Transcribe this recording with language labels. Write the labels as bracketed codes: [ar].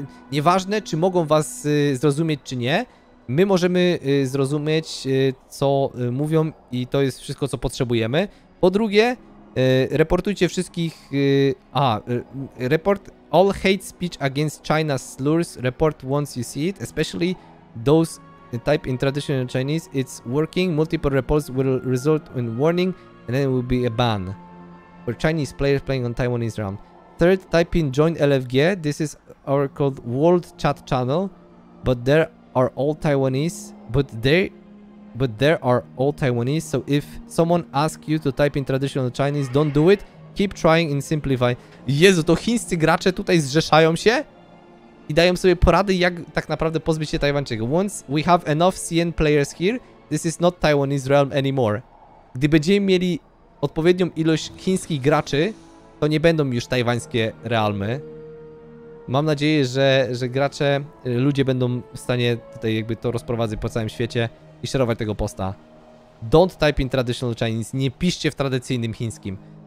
[pl] Nieważne, czy mogą was zrozumieć, czy nie. My możemy zrozumieć, co mówią i to jest wszystko, co potrzebujemy. Po drugie, reportujcie wszystkich... [en] Report all hate speech against China slurs, report once you see it, especially those type in traditional Chinese, it's working, multiple reports will result in warning, and then it will be a ban. or Chinese players playing on Taiwanese realm. Third, type in join LFG. This is our called World Chat Channel, but there are all Taiwanese, but there are all Taiwanese. So if someone asks you to type in traditional Chinese, don't do it. Keep trying and simplify. [pl] Jezu, to chińscy gracze tutaj zrzeszają się i dają sobie porady, jak tak naprawdę pozbyć się Tajwańczyka. [en] Once we have enough CN players here, this is not Taiwanese realm anymore. [pl] Gdy będziemy mieli odpowiednią ilość chińskich graczy, to nie będą już tajwańskie realmy. Mam nadzieję, że gracze, ludzie będą w stanie tutaj jakby to rozprowadzić po całym świecie i szerować tego posta. [en] Don't type in traditional Chinese, [pl] nie piszcie w tradycyjnym chińskim.